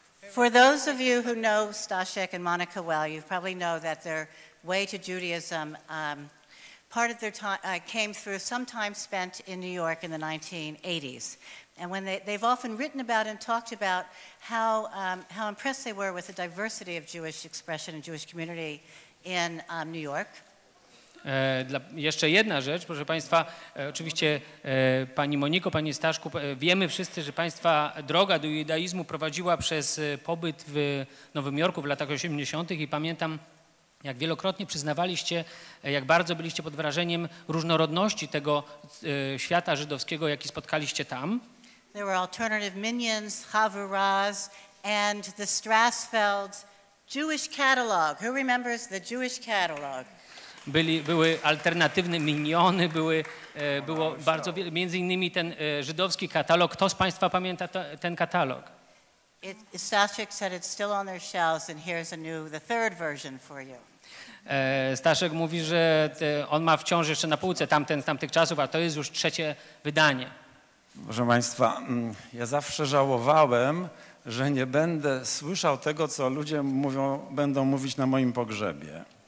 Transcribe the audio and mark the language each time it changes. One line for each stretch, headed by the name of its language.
English: For those of you who know Staszek and Monika well, you probably know that their way to Judaism, part of their time came through some time spent in New York in the 1980s. And when they've often written about and talked about how impressed they were with the diversity of Jewish expression and Jewish community in New York.
Polish: Jeszcze jedna rzecz, proszę państwa, oczywiście pani Moniko, pani Staszku, wiemy wszyscy, że państwa droga do judaizmu prowadziła przez pobyt w Nowym Jorku w latach 80. i pamiętam, jak wielokrotnie przyznawaliście, jak bardzo byliście pod wrażeniem różnorodności tego świata żydowskiego, jaki spotkaliście tam.
English: There were alternative minions, chavuras, and the Strasfeld Jewish catalog. Who remembers the Jewish catalog?
Polish: Były alternatywne miniony, było bardzo wiele, między innymi ten żydowski katalog. Kto z państwa pamięta ten katalog?
English: Staszek said it's still on their shelves and here's a new, the third version for you.
Polish: Staszek mówi, że on ma wciąż jeszcze na półce tamten z tamtych czasów, a to jest już trzecie wydanie. Proszę państwa, ja zawsze żałowałem, że nie będę słyszał tego, co ludzie mówią, będą mówić na moim pogrzebie.